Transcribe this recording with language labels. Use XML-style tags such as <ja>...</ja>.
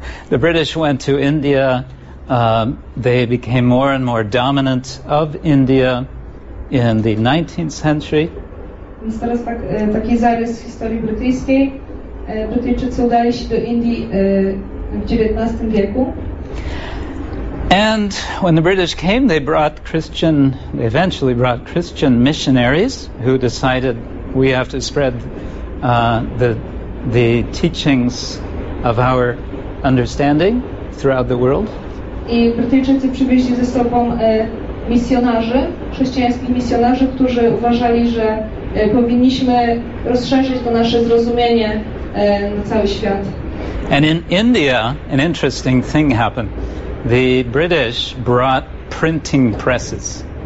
<en>The British went to India. They became more and more dominant of India in the 19th century.</en> <pl>Więc teraz taki zarys historii brytyjskiej. Brytyjczycy udali się do Indii w XIX wieku.</pl> <en>And when the British came, they eventually brought Christian missionaries who decided we have to spread the teachings of our understanding throughout the world.</en> <pl>I Brytyjczycy przywieźli ze sobą misjonarzy, chrześcijańskich misjonarzy, którzy uważali, że powinniśmy rozszerzyć to nasze zrozumienie na cały świat.</pl> <en>And in India, an interesting thing happened. The British brought printing presses.</en>